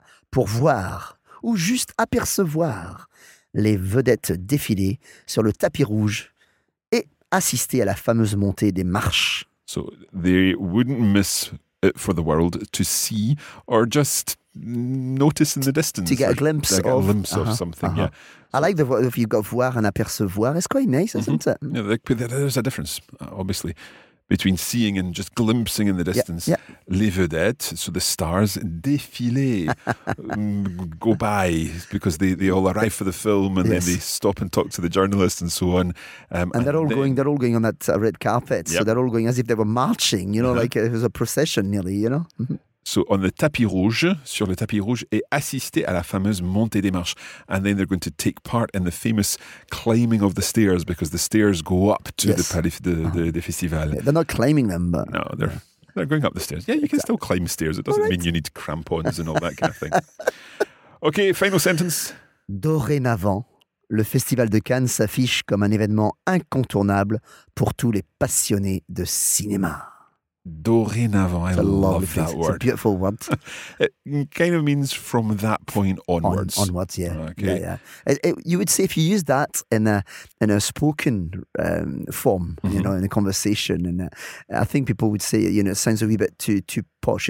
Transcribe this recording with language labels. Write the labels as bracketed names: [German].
[French] Pour voir ou juste apercevoir les vedettes défiler sur le tapis rouge et assister à la fameuse montée des marches. [English] So they wouldn't miss it for the world to see or just notice in the distance. To get a glimpse of. Something, I like the word if you've got voir and apercevoir. It's quite nice, isn't it? Yeah, there's a difference, obviously, between seeing and just glimpsing in the distance. Yeah, yeah. Les vedettes, so the stars, défiler, go by, because they all arrive for the film and then they stop and talk to the journalist and so on. They're all going on that red carpet. Yep. So they're all going as if they were marching, you know, like it was a procession nearly, you know. So on the tapis rouge, [French] sur le tapis rouge, et assister à la fameuse montée des marches. [English] And then they're going to take part in the famous climbing of the stairs, because the stairs go up to the Paris de festival. They're not climbing them, but... No, they're going up the stairs. Yeah, you can still climb stairs. It doesn't mean you need crampons and all that kind of thing. Okay, final sentence. [French] Dorénavant, le Festival de Cannes s'affiche comme un événement incontournable pour tous les passionnés de cinéma. [English] Dorénavant, I love that word. It's a beautiful word. It kind of means from that point onwards. Onwards, yeah. Okay. Yeah. You would say if you use that in a spoken form, you know, in a conversation, and I think people would say, you know, it sounds a wee bit too posh.